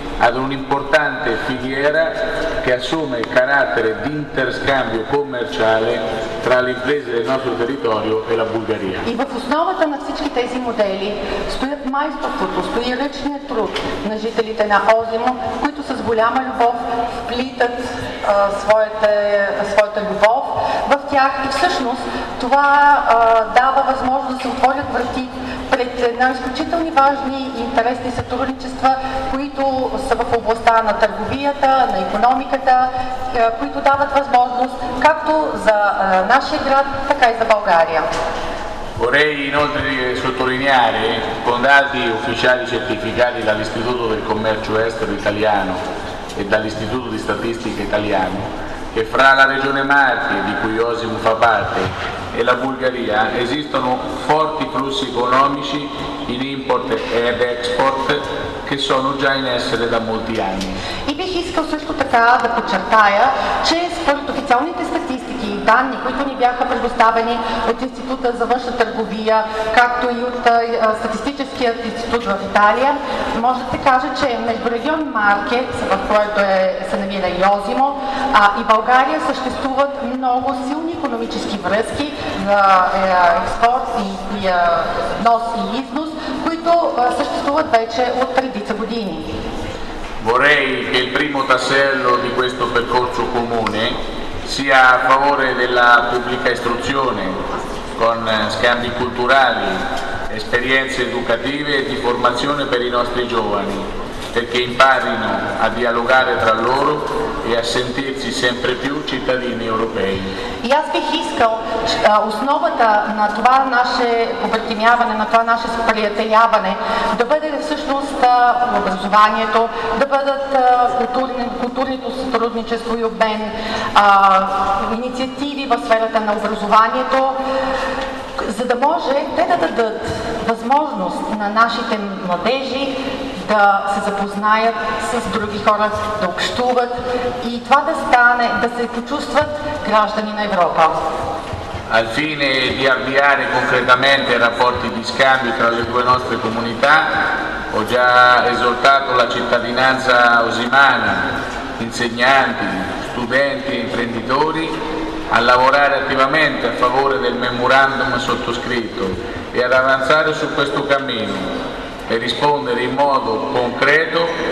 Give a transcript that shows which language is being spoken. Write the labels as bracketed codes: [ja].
[it] ad un'importante filiera che assume carattere di interscambio commerciale tra le imprese del nostro territorio e la Bulgaria. [bg] И в основата на всички тези модели стоят майсторството, стои ръчният труд на жителите на Озимо, които с голяма любов вплитат своята любов в тях и всъщност това дава възможност да се отворят врати пред една изключително важни и интересни сътрудничества, които са в областта на търговията, на икономиката, които дават възможност както за нашия град, така и за България. [it] Vorrei inoltre sottolineare, con dati ufficiali certificati dall'Istituto del Commercio Estero Italiano e dall'Istituto di Statistica Italiano, che fra la regione Marche, di cui Osimo fa parte, e la Bulgaria esistono forti flussi economici in import ed export che sono già in essere da molti anni. E vi chiedo questo da [bg] подчертая, che според официалните статистики и данни, които ни бяха предоставени от Института за външна търговия, както и от Статистическият институт в Италия, може да се каже, че между регион Марке, в който се намира и Озимо, и България съществуват много силни икономически връзки за експорт и нос и износ, които съществуват вече от редица години. [it] Vorrei che il primo tassello di questo percorso comune sia a favore della pubblica istruzione, con scambi culturali, esperienze educative e di formazione per i nostri giovani, perché imparino a dialogare tra loro e a sentirsi sempre più cittadini europei. [bg] И аз бих искал основата на това наше обединяване, на това наше сприятеляване да бъде всъщност образованието, да бъдат културното сътрудничество и обмен, инициативи в сферата на образованието, за да може те да дадат възможност на нашите младежи да се запознаят с други хора, да общуват и това да стане, да се почувстват граждани на Европа. [it] Al fine di avviare concretamente rapporti di scambio tra le due nostre comunità, ho già esortato la cittadinanza osimana, insegnanti, studenti e imprenditori a lavorare attivamente a favore del memorandum sottoscritto e ad avanzare su questo cammino e rispondere in modo concreto